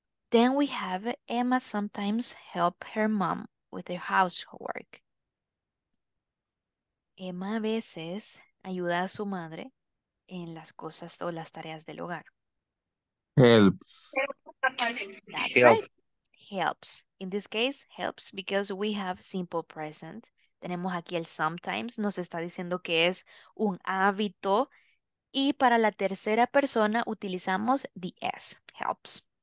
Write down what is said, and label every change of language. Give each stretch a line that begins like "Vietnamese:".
English: Then we have Emma sometimes help her mom with her housework.
Spanish: Emma a veces ayuda a su madre en las cosas o las tareas del hogar.
English: Helps. That's right. Helps. In this case, helps because we have simple present.
Spanish: Tenemos aquí el sometimes. Nos está diciendo que es un hábito. Y para la tercera persona utilizamos the S, helps.